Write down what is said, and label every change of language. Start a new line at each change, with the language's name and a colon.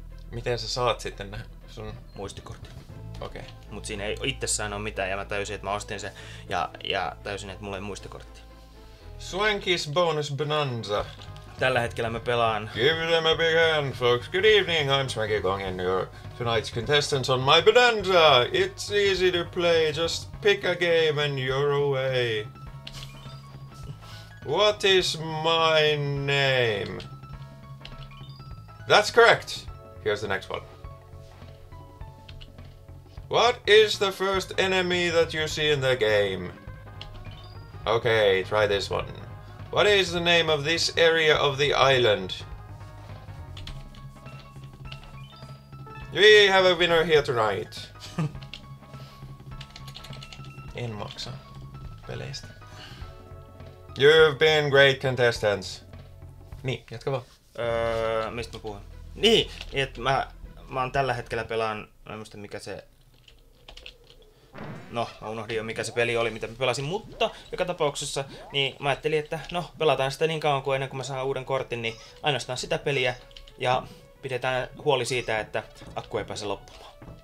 Finnish: Miten sä saat sitten ne? Sun muistikortti. Okei. Okay. Mut siinä ei itsessään ole mitään ja mä täysin, että mä ostin sen ja täysin, että mulla ei muistikortti.
English: Swankies bonus bonanza.
Finnish: Tällä hetkellä mä pelaan.
English: Give them a big hand, folks. Good evening, I'm Swanky Kong and your tonight's contestants on my bonanza. It's easy to play, just pick a game and you're away. What is my name? That's correct. Here's the next one. What is the first enemy that you see in the game? Okay, try this one. What is the name of this area of the island? We have a winner here tonight.
Finnish: En maksa peleistä.
English: You've been great contestants.
Finnish: Niin, jatka vaan. Mistä mä puhun? Niin, että mä oon tällä hetkellä pelaan, mä en muista mikä se... No, mä unohdin jo mikä se peli oli, mitä mä pelasin, mutta joka tapauksessa niin mä ajattelin, että no, pelataan sitä niin kauan kuin ennen kuin mä saan uuden kortin, niin ainoastaan sitä peliä ja pidetään huoli siitä, että akku ei pääse loppumaan.